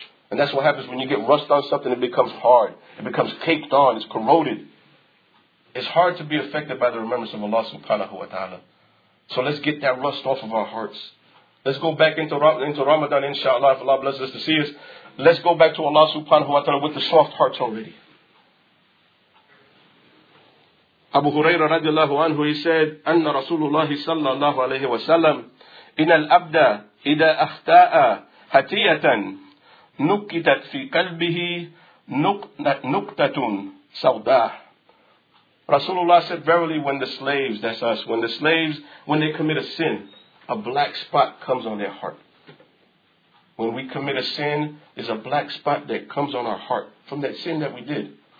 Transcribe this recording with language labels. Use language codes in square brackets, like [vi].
[en] And that's what happens when you get rust on something, it becomes hard. It becomes caked on, it's corroded. It's hard to be affected by the remembrance of Allah subhanahu wa ta'ala. So let's get that rust off of our hearts. Let's go back into Ramadan, inshallah, if Allah blesses us to see us. Let's go back to Allah subhanahu wa ta'ala with the soft hearts already. Abu Hurairah radiallahu anhu, he said, [ar] أن رسول الله صلى الله عليه وسلم إن الأبد إذا أخطأ خطيئة نكتت في قلبه نقطة سوداء. [en] Rasulullah said, verily, when the slaves, that's us, when the slaves, when they commit a sin, a black spot comes on their heart. When we commit a sin, there's a black spot that comes on our heart from that sin that we did.